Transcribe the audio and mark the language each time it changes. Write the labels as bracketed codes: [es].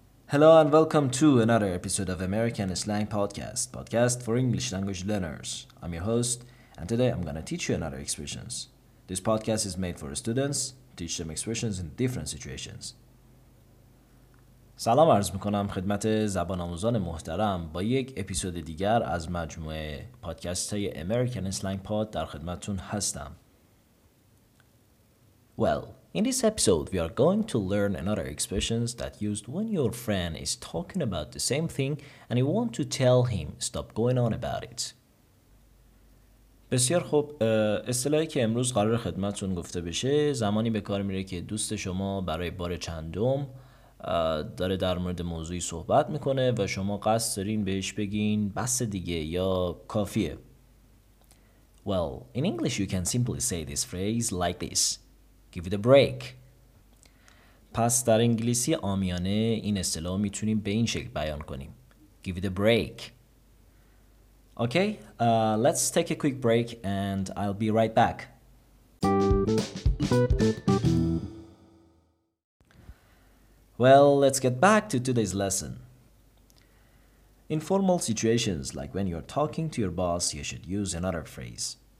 [en] Hello and welcome to another episode of American Slang Podcast, podcast for English language learners. I'm your host, and today I'm going to teach you another expressions. This podcast is made for students, teach them expressions in different situations. [fa] سلام عرض میکنم خدمت زبان آموزان محترم با یک اپیزود دیگر از مجموعه پادکست های American Slang Pod در خدمتون هستم. [en] Well, in this episode, we are going to learn another expressions that used when your friend is talking about the same thing and you want to tell him, stop going on about it. [fa] بسیار خوب، اصطلاحی که امروز قرار خدمتون گفته بشه زمانی به کار میره که دوست شما برای بار چندم داره در مورد موضوعی صحبت میکنه و شما قصد دارین بهش بگین بس دیگه یا کافیه. [en] Well, in English you can simply say this phrase like this. Give it a break. [fa] پس در انگلیسی عامیانه این اصطلاح میتونیم به این شکل بیان کنیم. [en] Give it a break. Okay, let's take a quick break and I'll be right back. Well, let's get back to today's lesson. In formal situations, like when you're talking to your boss, you should use another phrase.